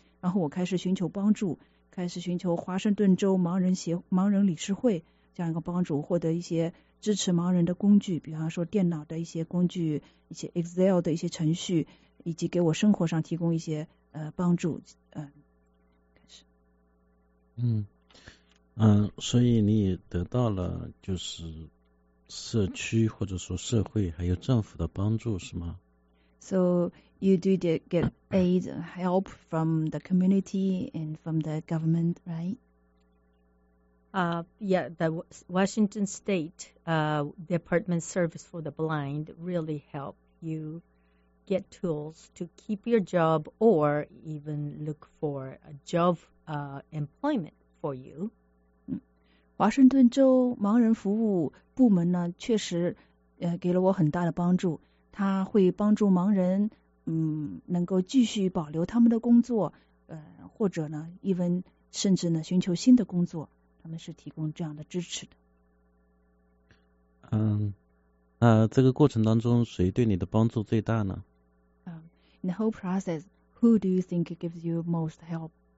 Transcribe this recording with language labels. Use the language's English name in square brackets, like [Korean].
[Chinese] 然后我开始寻求帮助，开始寻求华盛顿州盲人理事会这样一个帮助，获得一些支持盲人的工具，比方说电脑的一些工具，一些 Excel 的一些程序，以及给我生活上提供一些帮助。开始。所以你得到了就是社区或者说社会还有政府的帮助是吗？ [English] So you did get aid and help from the community and from the government, right? Yeah, the Washington State Department Service for the Blind really help you get tools to keep your job or even look for a job employment for you. [Chinese] 华盛顿州盲人服务部门呢，确实，给了我很大的帮助。他会帮助盲人，能够继续保留他们的工作，或者呢，甚至呢，寻求新的工作。他们是提供这样的支持的。这个过程当中，谁对你的帮助最大呢？ [English] In the whole process, who do you think gives you most help?